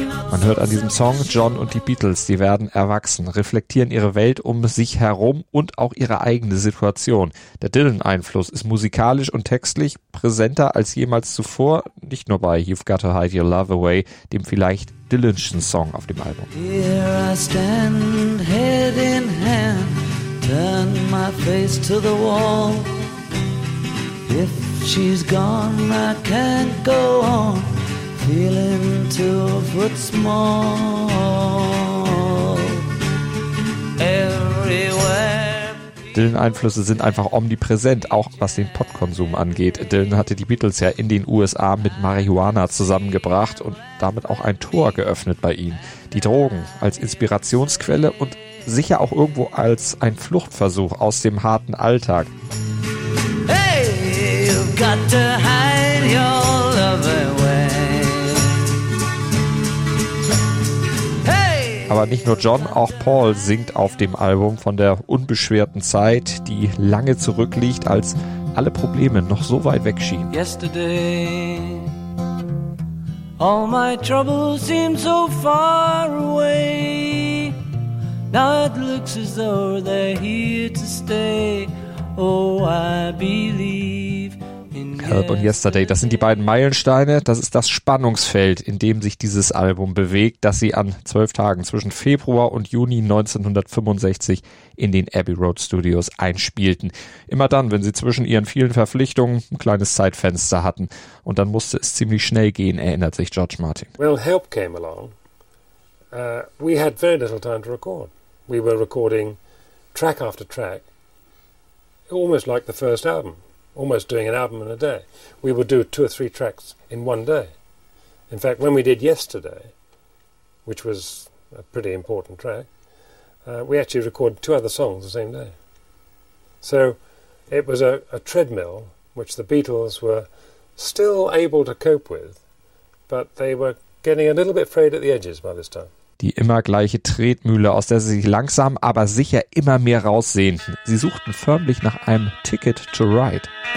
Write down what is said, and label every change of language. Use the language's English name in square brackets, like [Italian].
[German] Man hört an diesem Song, John und die Beatles, die werden erwachsen, reflektieren ihre Welt um sich herum und auch ihre eigene Situation. Der Dylan-Einfluss ist musikalisch und textlich präsenter als jemals zuvor, nicht nur bei You've Got to Hide Your Love Away, dem vielleicht Dylan'schen Song auf dem Album. [English] Here I stand, head in hand, turn my face to the wall. If she's gone, I can't go on. Feeling 2 foot small. Everywhere. [German] Dylan-Einflüsse sind einfach omnipräsent, auch was den Pottkonsum angeht. Dylan hatte die Beatles ja in den USA mit Marihuana zusammengebracht und damit auch ein Tor geöffnet bei ihnen. Die Drogen als Inspirationsquelle und sicher auch irgendwo als ein Fluchtversuch aus dem harten Alltag. [English] Hey, you've got to hide your love away. [German] Hey, aber nicht nur John, auch Paul singt auf dem Album von der unbeschwerten Zeit, die lange zurückliegt, als alle Probleme noch so weit wegschienen. [English] Yesterday, all my troubles seem so far away. Now it looks as though they're here to stay. Oh, I believe in Help yesterday. [German] Und Yesterday, das sind die beiden Meilensteine. Das ist das Spannungsfeld, in dem sich dieses Album bewegt, das sie an 12 Tagen zwischen Februar und Juni 1965 in den Abbey Road Studios einspielten. Immer dann, wenn sie zwischen ihren vielen Verpflichtungen ein kleines Zeitfenster hatten. Und dann musste es ziemlich schnell gehen, erinnert sich George Martin. [English] Well, Help came along. We had very little time to record. We were recording track after track, almost like the first album, almost doing an album in a day. We would do two or three tracks in one day. In fact, when we did Yesterday, which was a pretty important track, we actually recorded two other songs the same day. So it was a treadmill which the Beatles were still able to cope with, but they were getting a little bit frayed at the edges by this time. [German] Die immer gleiche Tretmühle, aus der sie sich langsam, aber sicher immer mehr raussehnten. Sie suchten förmlich nach einem Ticket to Ride.